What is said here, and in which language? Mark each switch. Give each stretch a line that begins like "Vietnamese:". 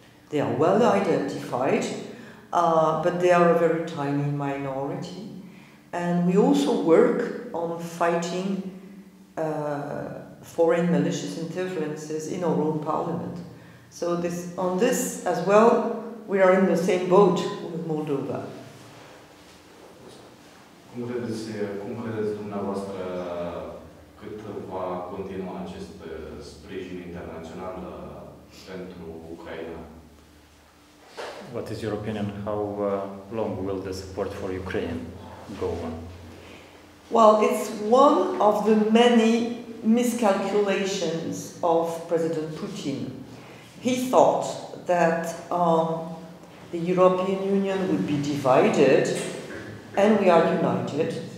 English: They are well identified, but they are a very tiny minority. And we also work on fighting foreign malicious interferences in our own parliament. So on this as well, we are in the same boat with Moldova.
Romanian: Cum credeți, dumneavoastră cât va continua acest sprijin internațional pentru Ucraina?
English: What is your opinion? How long will the support for Ukraine go on? Well, it's one of the many miscalculations of President Putin. He thought that the European Union would be divided, and we are united.